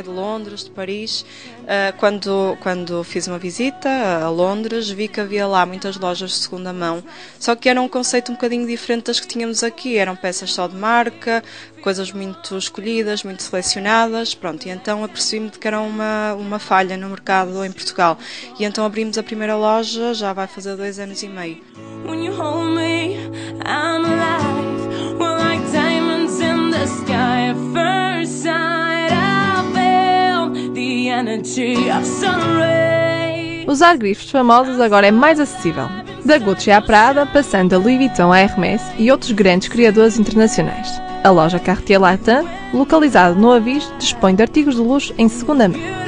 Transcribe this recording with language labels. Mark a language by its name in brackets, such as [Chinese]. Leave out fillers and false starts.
[Portuguese] De Londres, de Paris. Quando fiz uma visita a Londres, vi que havia lá muitas lojas de segunda mão, só que era um conceito um bocadinho diferente das que tínhamos aqui, eram peças só de marca, coisas muito escolhidas, muito selecionadas, pronto, e então apercebi-me de que era uma falha no mercado em Portugal, e então abrimos a primeira loja, já vai fazer 2 anos e meio. [English] When you hold me, I'm alive. We're like diamonds in the sky. First sight, I feel the energy of sunray. [Portuguese] Usar grifes famosos agora é mais acessível. Da Gucci à Prada, passando a Louis Vuitton à Hermès e outros grandes criadores internacionais. A loja Cartier Latam, localizada no Avis, dispõe de artigos de luxo em segunda mão.